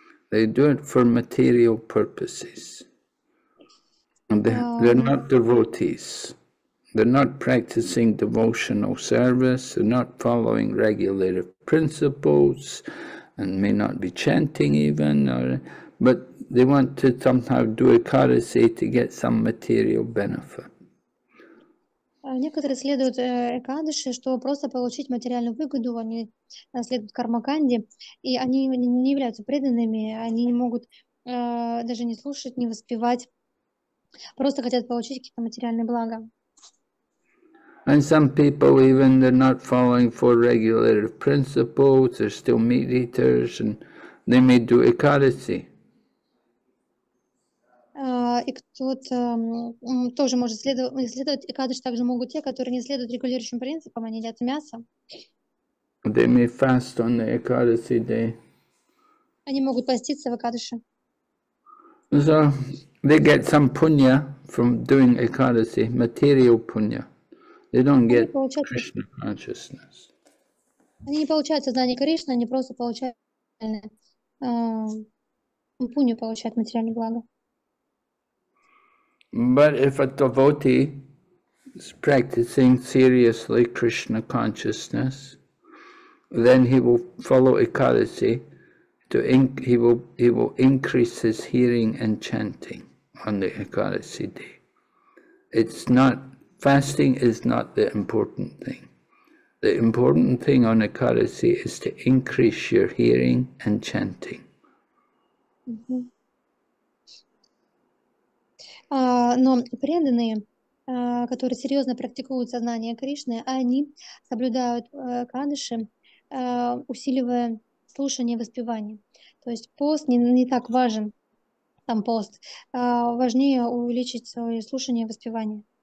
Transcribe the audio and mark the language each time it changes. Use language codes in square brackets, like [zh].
[en] They do it for material purposes. They're not devotees. They're not practicing devotional service. They're not following regulative principles, and may not be chanting even. But they want to somehow do Ekadasi to get some material benefit. [ru] Некоторые следуют Экадыши, чтобы просто получить материальную выгоду, они следуют Кармаканде, и они не являются преданными, они не могут даже не слушать, не воспевать, просто хотят получить какие-то материальные блага. [en] And some people, even they're not following four regulative principles, they're still meat eaters, and they may do Ekadasi. [ru] И кто-то тоже может следовать Экадыши, также могут те, которые не следуют регулирующим принципам, они едят мясо. [en] They may fast on the Ekadasi day. [ru] Они могут поститься в Экадыши. [en] So they get some punya from doing Ekadasi, material punya. They don't get Krishna consciousness. [ru] Они не получают сознание Кришны, они просто получают пунью, получают материальное благо. [en] But if a devotee is practicing seriously Krishna consciousness, then he will follow Ekadasi to he will increase his hearing and chanting on the Ekadasi day. It's not fasting is not the important thing. The important thing on Ekadasi is to increase your hearing and chanting. Mm-hmm. [ru] Но преданные, которые серьезно практикуют сознание Кришны, они соблюдают Экадыши, усиливая слушание и воспевание. То есть пост не так важен, там пост, важнее увеличить свое слушание и воспевание.